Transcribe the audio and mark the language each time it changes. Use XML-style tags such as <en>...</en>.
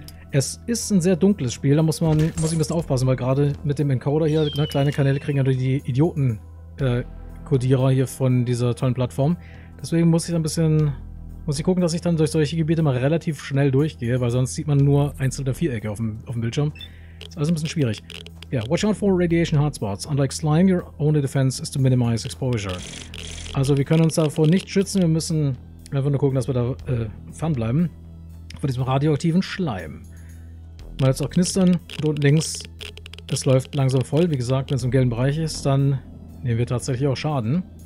<de>Es ist ein sehr dunkles Spiel, da muss ich ein bisschen aufpassen, weil gerade mit dem Encoder hier, ne, kleine Kanäle kriegen ja durch die Idioten-Codierer hier von dieser tollen Plattform. Deswegen muss ich dann ein bisschen, muss ich gucken, dass ich dann durch solche Gebiete mal relativ schnell durchgehe, weil sonst sieht man nur einzelne Vierecke auf dem Bildschirm. Ist also ein bisschen schwierig. Ja,</de> <en>yeah, watch out for radiation hotspots. Unlike slime, your only defense is to minimize exposure.</en> <de>Also wir können uns davor nicht schützen, wir müssen... Einfach nur gucken, dass wir da fernbleiben. Vor diesem radioaktiven Schleim. Mal jetzt auch knistern. Und unten links, es läuft langsam voll. Wie gesagt, wenn es im gelben Bereich ist, dann nehmen wir tatsächlich auch Schaden.</de>